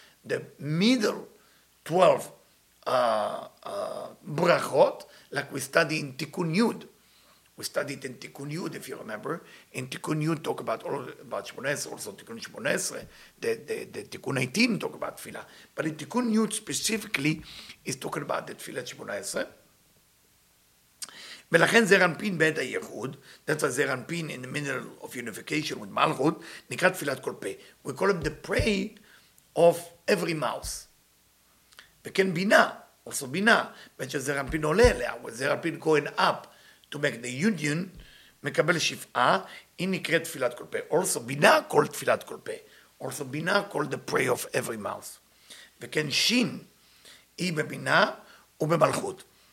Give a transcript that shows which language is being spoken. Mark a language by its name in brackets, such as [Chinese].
[English] The middle 12 Barachot, like we study in Tikkun Yud. We studied in Tikkun Yud, if you remember. In Tikkun Yud, talk about all about 18, also Tikkun 18, the Tikkun 18 talk about Tfilah. But in Tikkun Yud specifically, is talking about the Tfilat 18. [Hebrew] ולכן זר אנפין בעת הייחוד, [English] that's why זר אנפין in the middle of unification with מלכות, [Hebrew] נקרא תפילת כל פה. [English] We call him the prey of every mouth. [Hebrew] וכן בינה, also בינה, בעת שזר אנפין עולה אליה, וזר אנפין [English] going up to make the union, [Hebrew] מקבל שפעה, היא נקרא תפילת כל פה. [English] Also בינה called תפילת כל פה. Also בינה called the prey of every mouth. [Hebrew] וכן שין, היא בבינה ובמלכות.